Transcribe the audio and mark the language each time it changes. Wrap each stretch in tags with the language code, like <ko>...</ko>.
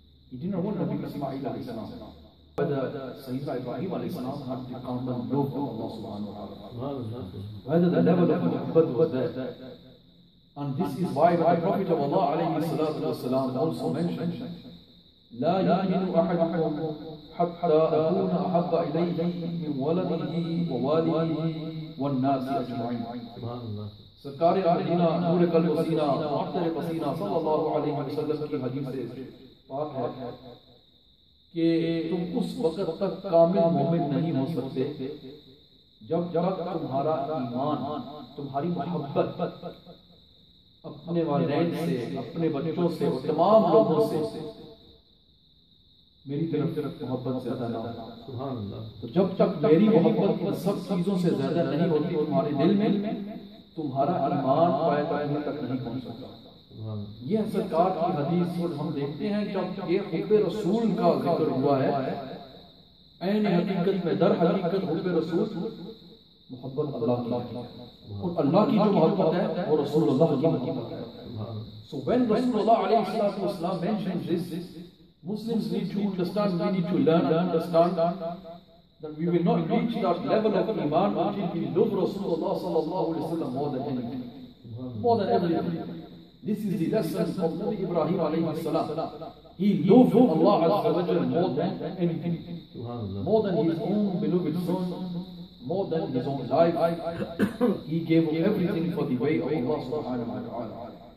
<en>He did not want Nabi Ismail alayhi salam. Whether Sayyidina Ibrahim alayhi salam had the common love to Allah subhanahu wa ta'ala, whether the level of muhabbat was there. And this is why the Prophet of Allah alayhi salatu wa salam also mentioned,</en> <ar>لا يؤمن أحدكم حتى أكون أحب إليه من ولده ووالده والناس أجمعين.</ar> <ur>سرکار مدینہ نور قلب و سینہ معطر پسینہ صلی اللہ علیہ وسلم کی حدیث پاک ہے کہ تم اس وقت تک کامل مومن نہیں ہو سکتے جب تک تمہارا ایمان، تمہاری محبت اپنے والدین سے، اپنے بچوں سے اور تمام لوگوں سے میری طرف محبت سے زیادہ نہ ہو. سبحان اللہ. تو جب تک میری محبت سب چیزوں سے زیادہ نہیں ہوتی تمہارے دل میں، تمہارا ایمان پائے پائے تک نہیں پہنچ سکتا. یہ سرکار کی حدیث اور ہم دیکھتے ہیں جب یہ حب رسول کا ذکر ہوا ہے، عین حقیقت میں در حقیقت حب رسول محبت اللہ کی، اور اللہ کی جو محبت ہے وہ رسول اللہ کی محبت ہے.</ur> <en>So when رسول اللہ علیہ السلام mention this, Muslims need to understand, we need to learn and understand that we will not reach that level of iman until we love Rasulullah sallallahu alayhi wa sallam more than anything, more than everything. This is the lesson of Nabi Ibrahim alayhi salam. He loved Allah azza wa jalla more than anything, more than his own beloved son, more than his own life. He gave everything for the way of Allah subhanahu wa ta'ala.</en>